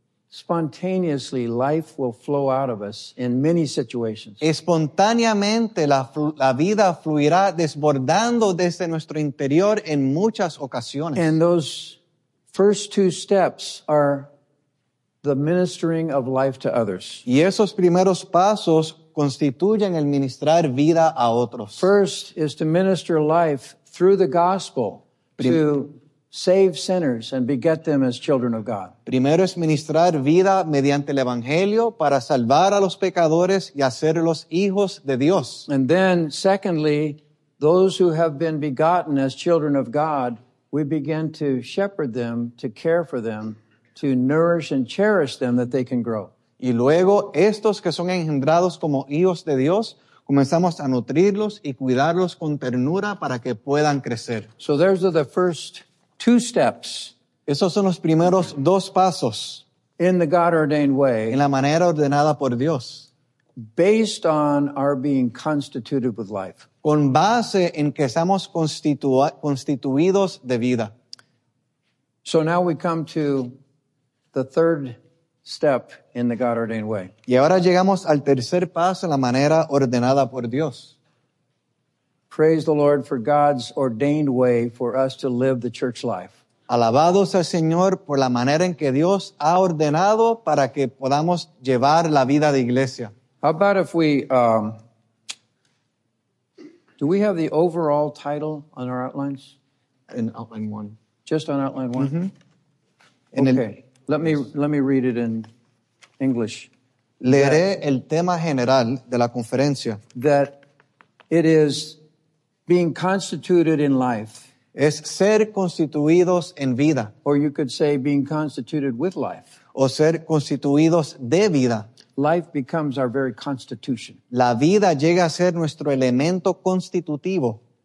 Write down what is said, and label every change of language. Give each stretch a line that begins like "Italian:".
English: Spontaneously, life will flow out of us in many situations.
Spanish: Espontáneamente, la vida fluirá desbordando desde nuestro interior en muchas ocasiones.
English: And those first two steps are the ministering of life to others.
Spanish: Y esos primeros pasos constituyen el ministrar vida a otros.
English: First is to minister life through the gospel to save sinners and beget them as children of God.
Spanish: Primero es ministrar vida mediante el evangelio para salvar a los pecadores y hacerlos hijos de Dios.
English: And then, secondly, those who have been begotten as children of God, we begin to shepherd them, to care for them, to nourish and cherish them that they can grow.
Spanish: Y luego, estos que son engendrados como hijos de Dios, comenzamos a nutrirlos y cuidarlos con ternura para que puedan crecer.
English: So there's the first two steps.
Spanish: Esos son los primeros dos pasos.
English: In the God-ordained way.
Spanish: En la manera ordenada por Dios.
English: Based on our being constituted with life.
Spanish: Con base en que estamos constituidos de vida.
English: So now we come to the third step in the God-ordained way.
Spanish: Y ahora llegamos al tercer paso en la manera ordenada por Dios.
English: Praise the Lord for God's ordained way for us to live the church life.
Spanish: Alabado sea el Señor por la manera en que Dios ha ordenado para que podamos llevar la vida de iglesia.
English: How about if we, do we have the overall title on our outlines? In outline one. Just on outline one? Mm-hmm. Let me read it in English.
Spanish: Leeré el tema general de la conferencia.
English: That it is being constituted in life.
Spanish: Es ser constituidos en vida.
English: Or you could say being constituted with life.
Spanish: O ser constituidos de vida.
English: Life becomes our very constitution.
Spanish: La vida llega a ser nuestro elemento constitutivo.